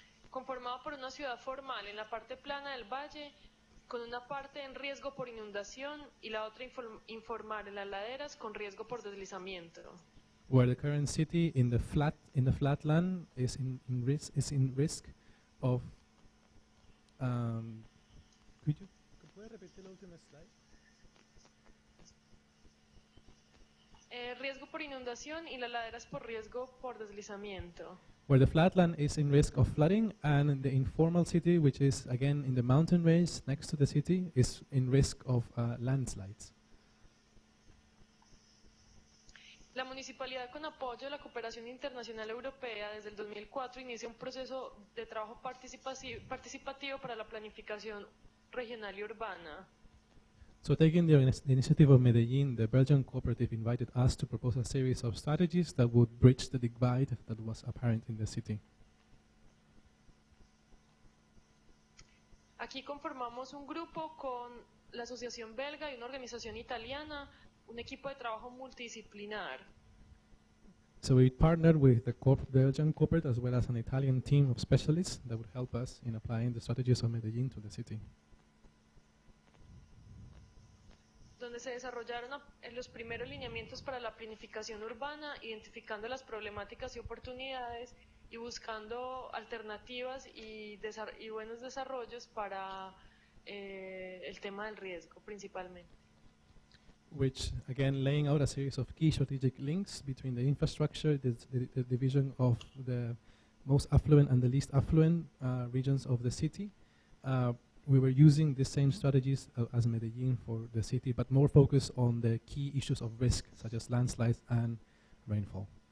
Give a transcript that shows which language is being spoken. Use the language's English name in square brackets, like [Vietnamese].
[Spanish] Conformado por una ciudad formal en la parte plana del valle, con una parte en riesgo por inundación y la otra informal en las laderas con riesgo por deslizamiento. [English] Where the current city in the flatland is in risk of. [Spanish] ¿Puedes repetir la última slide? Riesgo por inundación y las laderas por riesgo por deslizamiento. [English] Where the flatland is in risk of flooding, and the informal city, which is again in the mountain range next to the city, is in risk of landslides. [Spanish] La municipalidad, con apoyo de la cooperación internacional europea, desde el 2004 inicia un proceso de trabajo participativo para la planificación regional y urbana. [English] So taking the initiative of Medellin, the Belgian cooperative invited us to propose a series of strategies that would bridge the divide that was apparent in the city. [Spanish] Aquí conformamos un grupo con la asociación belga y una organización italiana, un equipo de trabajo multidisciplinar. [English] So we partnered with the Belgian cooperative as well as an Italian team of specialists that would help us in applying the strategies of Medellin to the city. [Spanish] Donde se desarrollaron los primeros lineamientos para la planificación urbana, identificando las problemáticas y oportunidades y buscando alternativas y buenos desarrollos para el tema del riesgo, principalmente. [English] Which, again, laying out a series of key strategic links between the infrastructure, the division of the most affluent and the least affluent regions of the city. We were using the same strategies as Medellin for the city, but more focused on the key issues of risk, such as landslides and rainfall.